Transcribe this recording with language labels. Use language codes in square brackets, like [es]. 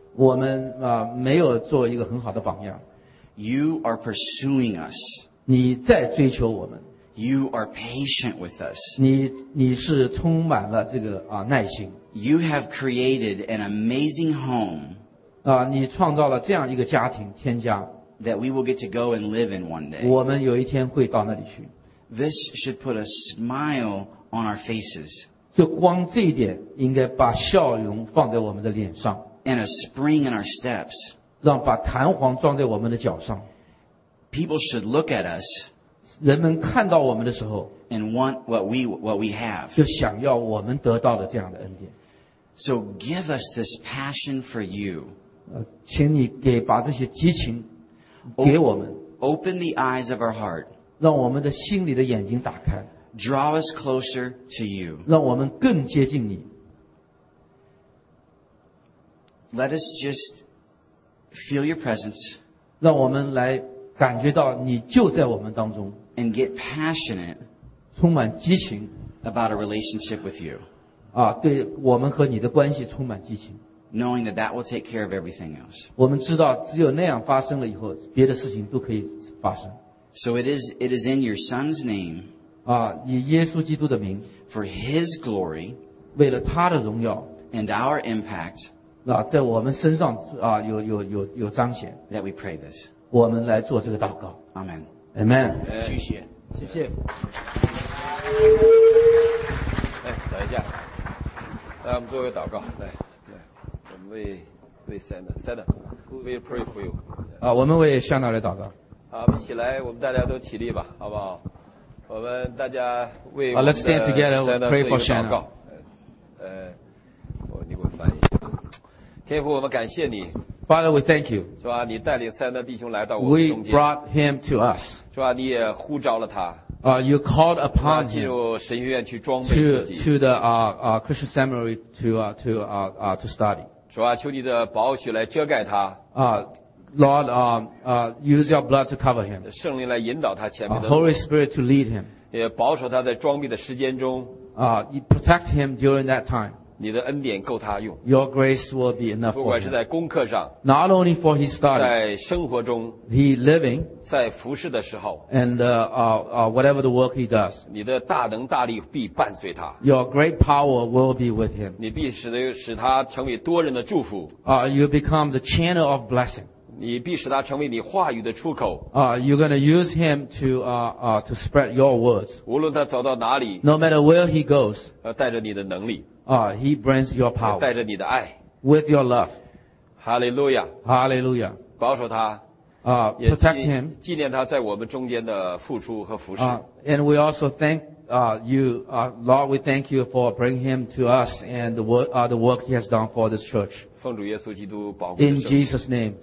[zh] 我们啊，没有做一个很好的榜样。 [en] You are pursuing us. [zh] 你在追求我们。 [en] You are patient with us. [zh] 你是充满了这个啊耐心。 [en] You have created an amazing home. [zh] 啊，你创造了这样一个家庭，天家。 [en] That we will get to go and live in one day. [zh] 我们有一天会到那里去。 [en] This should put a smile on our faces. [zh] 就光这一点，应该把笑容放在我们的脸上。 [en] And a spring in our steps. [zh] 让把弹簧装在我们的脚上。 [en] People should look at us. [zh] 人们看到我们的时候 [en] and want what we have. [zh] 就想要我们得到的这样的恩典。 [en] So give us this passion for you. [zh] 请你给把这些激情给我们。 [en] Open the eyes of our heart. [zh] 让我们的心里的眼睛打开。 [en] Draw us closer to you. [zh] 让我们更接近你。 [en] Let us just feel your presence. [zh] 让我们来感觉到你就在我们当中。 [en] And get passionate. [zh] 充满激情。 [en] About a relationship with you. [zh] 啊，对我们和你的关系充满激情。 [en] Knowing that that will take care of everything else. [zh] 我们知道只有那样发生了以后，别的事情都可以发生。 [en] So it is in your son's name. [zh] 啊，以耶稣基督的名。 [en] For his glory. [zh] 为了他的荣耀。 [en] And our impact. [zh] 啊，在我们身上啊，有彰显。 [en] That we pray this. [zh] 我们来做这个祷告。 [en] Amen. Amen. [zh] 谢谢。谢谢。来，等一下。来，我们做一个祷告。来。 [en] We pray for you. [zh] 啊，我们为香纳来祷告。好，我们起来，我们大家都起立吧，好不好？我们大家为我们的香纳做一个祷告。 [en] Let's stand together. Pray for Shanna. [zh] 你给我翻译。天父，我们感谢你。 [en] Father, we thank you. [zh] 是吧？你带领香纳弟兄来到我们中间。 [en] We brought him to us. [zh] 是吧？你也呼召了他。 [en] You called upon him to the Christian seminary to study. [zh] 主啊，求你的宝血来遮盖他。 [en] Lord, use your blood to cover him. [zh] 圣灵来引导他前面的。 [en] Holy Spirit to lead him. [zh] 也保守他在装备的时间中。 [en] Protect him during that time. [zh] 你的恩典够他用。 [en] Your grace will be enough for him. [zh] 不管是在功课上。 [en] Not only for his study. [zh] 在生活中。 [en] He living. [zh] 在服侍的时候。 [en] And whatever the work he does. [zh] 你的大能大力必伴随他。 [en] Your great power will be with him. [zh] 你必使他成为多人的祝福。 [en] You become the channel of blessing. [zh] 你必使他成为你话语的出口。 [en] You're going to use him to spread your words. [zh] 无论他走到哪里。 [en] No matter where he goes. [zh] 带着你的能力。 [en] He brings your power. [zh] 带着你的爱。 [en] With your love. Hallelujah. Hallelujah. [zh] 保守他。 [en] Protect him. [zh] 纪念他在我们中间的付出和服侍。 [en] And we also thank you, Lord, we thank you for bringing him to us and the work he has done for this church. [zh] 奉主耶稣基督宝贵的圣名。 [en] In Jesus' name.